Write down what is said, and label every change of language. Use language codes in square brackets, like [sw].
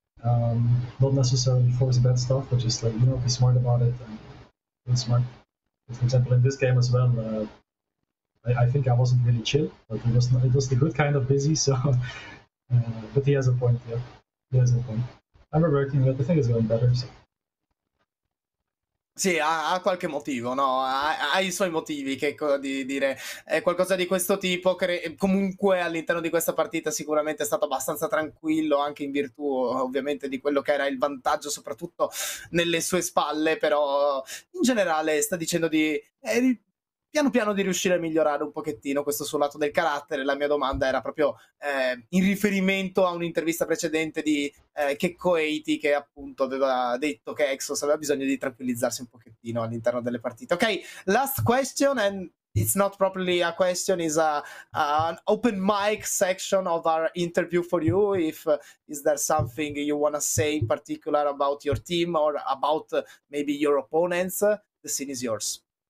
[en] Not necessarily force bad stuff, but just, like, you know, be smart about it and be smart. For example, in this game as well, I think I wasn't really chill, but it was the good kind of busy, so... but he has a point, yeah. He has a point. I'm working, but the thing is going better, so... [it] Sì, ha qualche motivo, no? Ha i suoi motivi, che cosa di dire. È qualcosa di questo tipo. Comunque all'interno di questa partita sicuramente è stato abbastanza tranquillo, anche in virtù ovviamente di quello che era il vantaggio soprattutto nelle sue spalle, però in generale sta dicendo di... P11 piano piano di riuscire a migliorare un pochettino questo suo lato del carattere. La mia domanda era proprio in riferimento a un'intervista precedente di Checco Eiti, che appunto aveva detto che Exos aveva bisogno di tranquillizzarsi un pochettino all'interno delle partite. [en] Ok, last question, and it's not properly a question, it's an open mic section of our interview for you. If is there something you want to say in particular about your team or about maybe your opponents, the scene is yours.